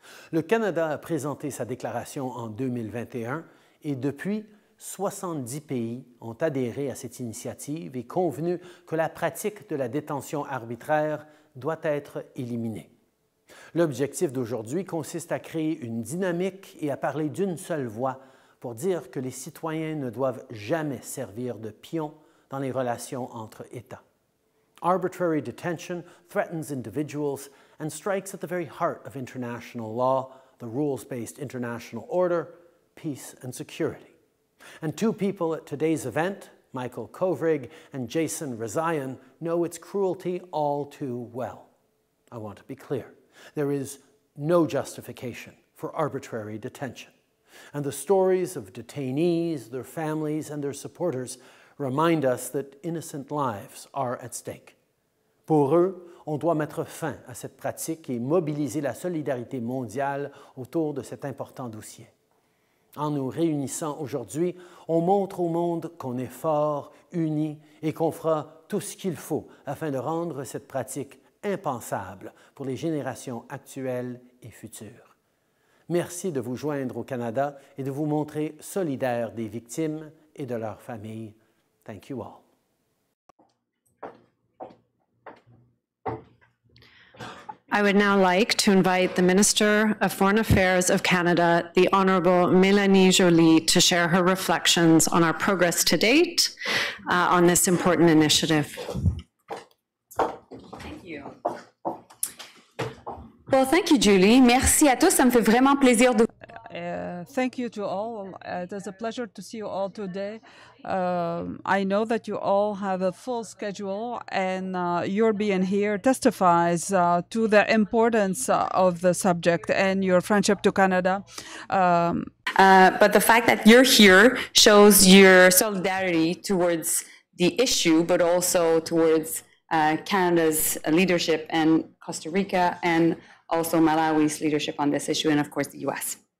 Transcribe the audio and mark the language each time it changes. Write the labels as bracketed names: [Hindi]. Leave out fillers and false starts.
[French] Le Canada a présenté sa déclaration en 2021, et depuis, 70 pays ont adhéré à cette initiative et convenu que la pratique de la détention arbitraire doit être éliminée. L'objectif d'aujourd'hui consiste à créer une dynamique et à parler d'une seule voix pour dire que les citoyens ne doivent jamais servir de pions dans les relations entre États. [English] Arbitrary detention threatens individuals and strikes at the very heart of international law, the rules-based international order, peace and security. And two people at today's event, Michael Kovrig and Jason Rezaian, know its cruelty all too well. I want to be clear. There is no justification for arbitrary detention. And the stories of detainees, their families, and their supporters remind us that innocent lives are at stake. [French] Pour eux, on doit mettre fin à cette pratique et mobiliser la solidarité mondiale autour de cet important dossier. En nous réunissant aujourd'hui, on montre au monde qu'on est fort, uni et qu'on fera tout ce qu'il faut afin de rendre cette pratique impensable pour les générations actuelles et futures. Merci de vous joindre au Canada et de vous montrer solidaire des victimes et de leurs familles. [English] Thank you all. Our I would now like to invite the Minister of Foreign Affairs of Canada, the Honourable Mélanie Joly, to share her reflections on our progress to date on this important initiative. Well, thank you, Julie. [French] Merci à tous. Ça me fait vraiment plaisir de. [English] Thank you to all. It is a pleasure to see you all today. I know that you all have a full schedule, and your being here testifies to the importance of the subject and your friendship to Canada. But the fact that you're here shows your solidarity towards the issue, but also towards Canada's leadership and Costa Rica and also Malawi's leadership on this issue, and of course the US.